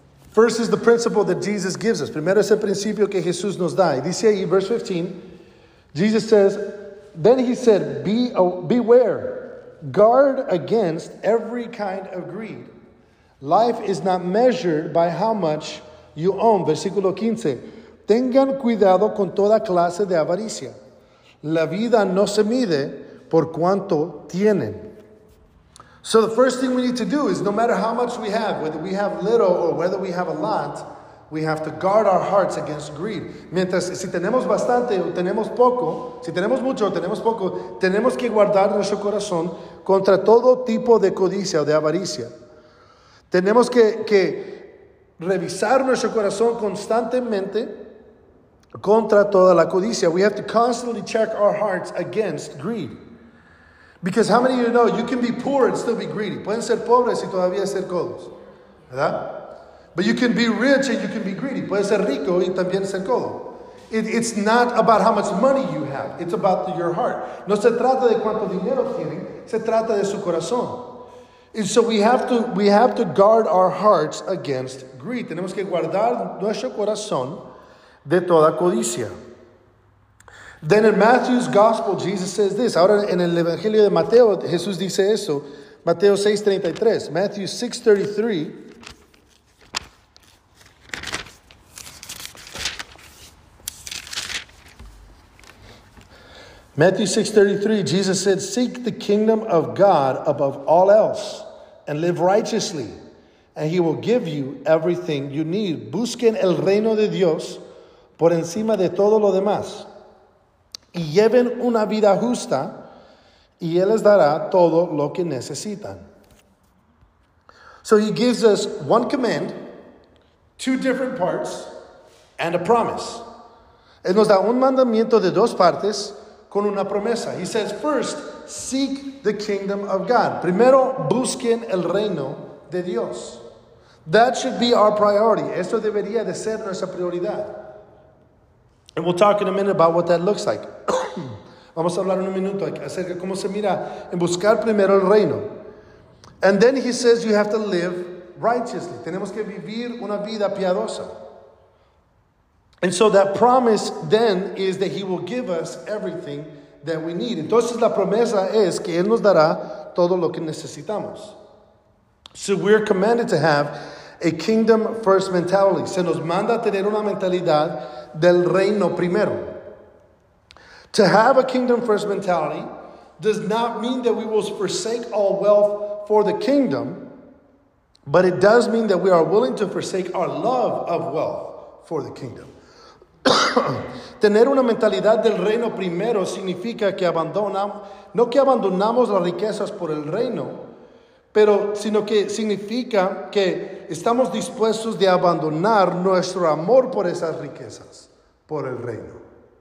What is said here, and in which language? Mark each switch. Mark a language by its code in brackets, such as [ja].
[en] First is the principle that Jesus gives us. [es] Primero es el principio que Jesús nos da. Y dice ahí, [en] verse 15, Jesus says, then he said, beware, guard against every kind of greed. Life is not measured by how much you own. [es] Versículo 15, tengan cuidado con toda clase de avaricia. La vida no se mide por cuanto tienen. [en] So the first thing we need to do is, no matter how much we have, whether we have little or whether we have a lot, we have to guard our hearts against greed. [es] Mientras, si tenemos bastante o tenemos poco, si tenemos mucho o tenemos poco, tenemos que guardar nuestro corazón contra todo tipo de codicia o de avaricia. Tenemos que revisar nuestro corazón constantemente contra toda la codicia. [en] We have to constantly check our hearts against greed. Because how many of you know you can be poor and still be greedy? [es] Pueden ser pobres y todavía ser codos, ¿verdad? [en] But you can be rich and you can be greedy. [es] Puedes ser rico y también ser codo. [en] It's not about how much money you have. It's about your heart. [es] No se trata de cuánto dinero tienen. Se trata de su corazón. [en] And so we have to guard our hearts against greed. [es] Tenemos que guardar nuestro corazón de toda codicia. [en] Then in Matthew's gospel, Jesus says this. [es] Ahora en el Evangelio de Mateo, Jesús dice eso. Mateo 6:33. Matthew 6:33. [en] Matthew 6:33, Jesus said, "Seek the kingdom of God above all else and live righteously, and he will give you everything you need. [es] Busquen el reino de Dios por encima de todo lo demás, y lleven una vida justa, y él les dará todo lo que necesitan." [en] So he gives us one command, two different parts, and a promise. [es] Él nos da un mandamiento de dos partes, con una promesa. [en] He says, first, seek the kingdom of God. [es] Primero, busquen el reino de Dios. [en] That should be our priority. [es] Esto debería de ser nuestra prioridad. [en] And we'll talk in a minute about what that looks like. [es] Vamos a hablar en un minuto acerca de cómo se mira en buscar primero el reino. [en] And then he says, you have to live righteously. [es] Tenemos que vivir una vida piadosa. [en] And so that promise then is that he will give us everything that we need. [es] Entonces la promesa es que él nos dará todo lo que necesitamos. [en] So we're commanded to have a kingdom first mentality. [es] Se nos manda tener una mentalidad del reino primero. [en] To have a kingdom first mentality does not mean that we will forsake all wealth for the kingdom, but it does mean that we are willing to forsake our love of wealth for the kingdom. [es] Tener una mentalidad del reino primero significa que abandonamos, no que abandonamos las riquezas por el reino, pero sino que significa que estamos dispuestos de abandonar nuestro amor por esas riquezas, por el reino.